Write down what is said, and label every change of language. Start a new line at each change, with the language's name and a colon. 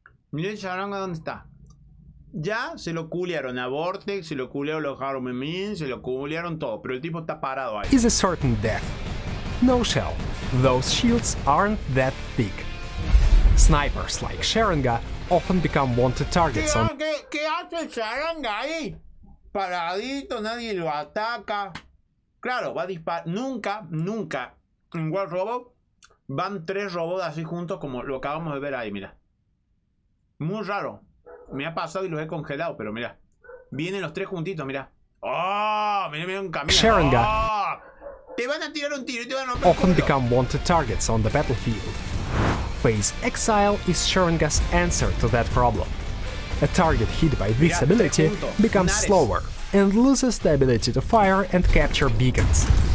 Spanish: Mira el Sharanga donde está. Ya se lo culearon a Vortex, se lo culearon a los Harumemin, se lo culearon todo, pero el tipo está parado ahí.
English: Is a certain death. No shell. Those shields aren't that thick. Snipers like Sharanga often become wanted targets.
Spanish: ¿Qué hace el Sharanga ahí? Paradito, nadie lo ataca. Claro, va a disparar. Nunca en World Robot van 3 robots así juntos como lo acabamos de ver ahí, mira. Muy raro. Me ha pasado y los he congelado, pero mira. Vienen los 3 juntitos, mira. ¡Oh! Mira un camino. Sharanga. ¡Oh! Te van a tirar un tiro y te van a romper.
English: Often become wanted targets on the battlefield. Phase Exile is Sharanga's answer to that problem. A target hit by this ability becomes slower and loses the ability to fire and capture beacons.